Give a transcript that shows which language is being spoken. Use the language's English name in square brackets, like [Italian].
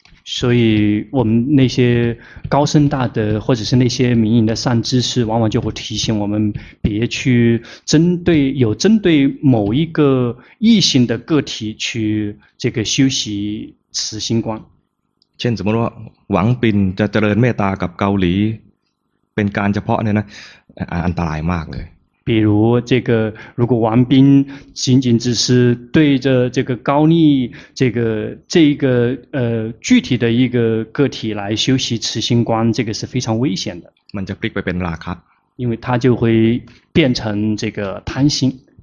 [Chinese] 所以我们那些高深大德或者是那些明隐的善知识往往就会提醒我们别去针对某一个异性的个体去这个修习慈心观 [Thai] เช่นสมมติว่าหวังปินจะเจริญเมตตากับเกาหลีเป็นการเฉพาะเนี่ยนะอันตรายมากเลย [Chinese] 比如这个如果王斌仅仅只是对着这个高丽这个具体的一个个体来修习慈心观这个是非常危险的 [Thai] มันจะพลิกไปเป็นราคะ [Chinese] 因为它就会变成这个贪心